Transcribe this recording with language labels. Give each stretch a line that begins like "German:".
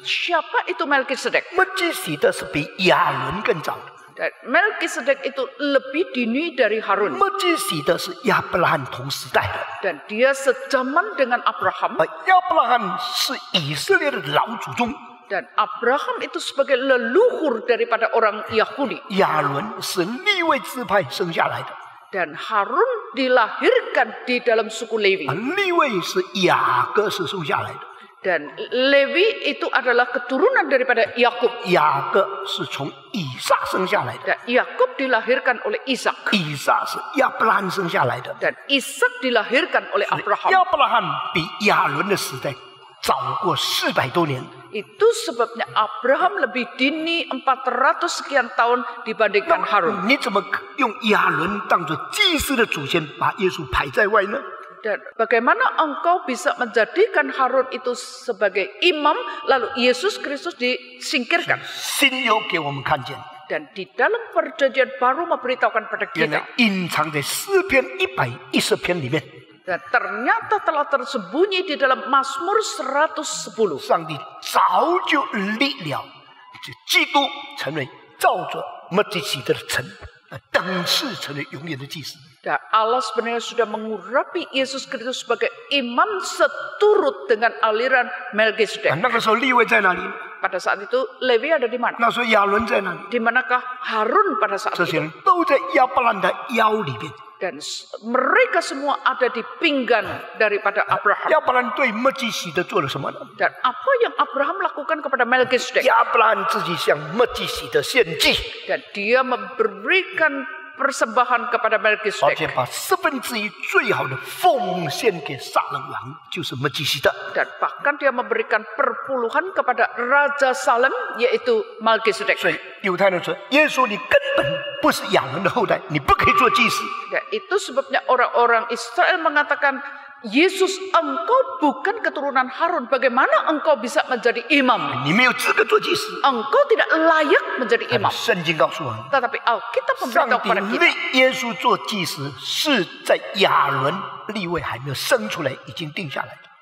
Indonesian: Siapa itu Melkisedek?
Chinese: 麦基洗的是比亚伦更早。
Indonesian: Dan Melkisedek itu lebih dini dari Harun.
Chinese: 麦基洗的是亚伯拉罕同时代的。
Indonesian: Dan dia sejaman dengan Abraham.
Chinese: 亚伯拉罕是以色列的老祖宗。
Indonesian: Dan Abraham itu sebagai leluhur daripada orang Yahudi.
Chinese: 亚伦是利未支派生下来的。
Indonesian: Dan Harun dilahirkan di dalam suku Levi.
Chinese: 利未是雅各是生下来的。
Indonesian: Dan Lewi itu adalah keturunan daripada Yakub.
Chinese: Yakub 是从以撒生下来的.
Indonesian: Dan Yakub dilahirkan oleh Ishak.
Chinese: Ishak 是亚伯兰生下来的.
Indonesian: Dan Ishak dilahirkan oleh Abraham.
Chinese: Abraham 比亚伦的时代早过400多年.
Indonesian: Itu sebabnya Abraham lebih dini 400 sekian tahun dibandingkan Harun.
Chinese: 你怎么用亚伦当作祭司的祖先把耶稣排在外呢?
Indonesian: Dan bagaimana engkau bisa menjadikan Harun itu sebagai imam lalu Yesus Kristus disingkirkan?
Chinese: 新约给我们看见.
Indonesian: Dan di dalam perjanjian baru memberitahukan pada kita.
Chinese: 原来隐藏在诗篇110篇里面.
Indonesian: Dan ternyata telah tersembunyi di dalam Mazmur 110.
Chinese: 上帝早就立了, 基督成为照着麦基洗德的臣, 等次成为永远的祭司.
Indonesian: Dan Allah sebenarnya sudah mengurapi Yesus Kristus sebagai imam seturut dengan aliran Melkisedek.
Chinese: ]那个时候利未在哪里?
Indonesian: Pada saat itu Lewi ada di mana?
Chinese: ]那时候亚伦在哪里?
Indonesian: Di manakah Harun pada saat itu?
Chinese: 这些人都在亚伯兰的腰里面.
Indonesian: Dan mereka semua ada di pinggan daripada Abraham.
Chinese: Abraham 对麦基洗德做了什么呢?
Indonesian: Dan apa yang Abraham lakukan kepada Melkisedek?
Chinese: Abraham 自己向麦基洗德献祭.
Indonesian: Dan dia memberikan persembahan kepada Melkisedek.
Chinese: 而且把十分之一最好的奉献给撒冷王, 就是麦基洗德.
Indonesian: Dan bahkan dia memberikan perpuluhan kepada Raja Salem, yaitu Melkisedek.
Chinese: 所以犹太人说, 耶稣你根本 不是亚伦的后代, 你不可以做祭司.
Indonesian: Dan itu sebabnya orang-orang Israel mengatakan, Yesus, engkau bukan keturunan Harun. Bagaimana engkau bisa menjadi imam?
Chinese: 你没有资格做祭司.
Indonesian: Engkau tidak layak menjadi imam.
Chinese: 圣经告诉我们,
Indonesian: tetapi Alkitab memberitahu kepada kita,
Chinese: 上帝立耶稣做祭司, 是在亚伦立位还没有生出来, 已经定下来.